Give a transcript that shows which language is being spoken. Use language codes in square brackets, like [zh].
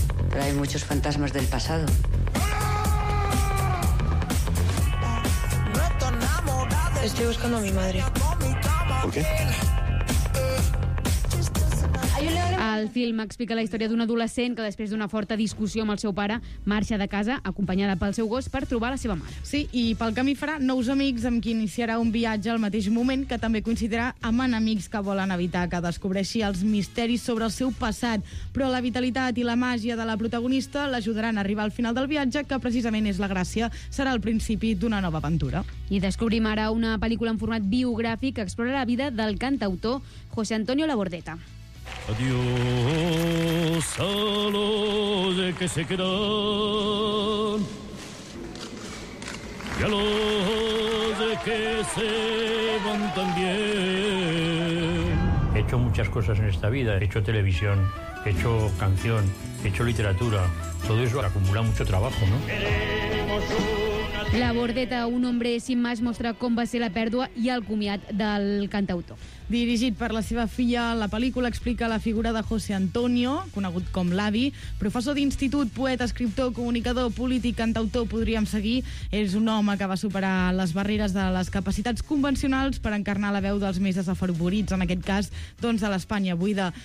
[es] Trae muchos fantasmas del pasado. Estoy buscando a mi madre. ¿Por qué? [ca] El film explica la història d'un adolescent que després d'una forta discussió amb el seu pare marxa de casa, acompanyada pel seu gos, per trobar la seva mare. Sí, i pel camí farà nous amics amb qui iniciarà un viatge al mateix moment, que també coincidirà amb enemics que volen evitar que descobreixi els misteris sobre el seu passat. Però la vitalitat i la màgia de la protagonista l'ajudaran a arribar al final del viatge, que precisament és la gràcia, serà el principi d'una nova aventura. I descobrim ara una pel·lícula en format biogràfic que explora la vida del cantautor José Antonio Labordeta. [es] Adiós a los que se quedan y a los que se van también. He hecho muchas cosas en esta vida. He hecho televisión, he hecho canción, he hecho literatura. Todo eso acumula mucho trabajo, ¿no? [ca] Labordeta, un hombre sin más, mostra com va ser la pèrdua i el comiat del cantautor. Dirigit per la seva filla, la pel·lícula explica la figura de José Antonio, conegut com l'avi, professor d'institut, poeta, escriptor, comunicador, polític, cantautor, podríem seguir. És un home que va superar les barreres de les capacitats convencionals per encarnar la veu dels més desafavorits, en aquest cas, doncs, de l'Espanya buida.